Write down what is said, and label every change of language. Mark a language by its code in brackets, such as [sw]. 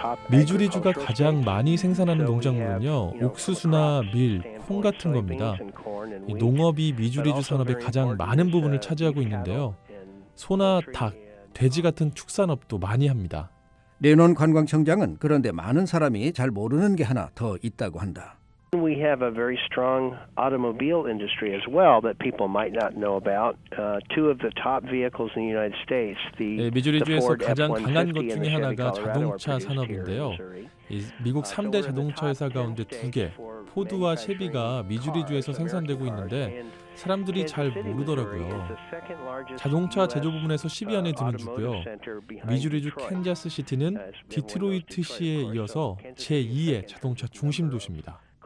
[ko] 미주리주가 가장 많이 생산하는 농작물은요, 옥수수나 밀, 콩 같은 겁니다. 이 농업이 미주리주 산업의 가장 많은 부분을 차지하고 있는데요. 소나 닭, 돼지 같은 축산업도 많이 합니다. 레논 관광청장은 그런데 많은 사람이 잘 모르는 게 하나 더 있다고 한다. [en] We have a very strong automobile industry as well that people might not know about. Two of the top vehicles in the United States, the Ford F-150. [ko] 미주리주에서 가장 강한 것 중에 하나가 자동차 산업인데요. 미국 3대 자동차 회사 가운데 두 개, 포드와 셰비가 미주리주에서 생산되고 있는데 사람들이 잘 모르더라고요. 자동차 제조 부문에서 10위 안에 드는 주고요. 미주리주 캔자스 시티는 디트로이트 시에 이어서 제2의 자동차 중심 도시입니다.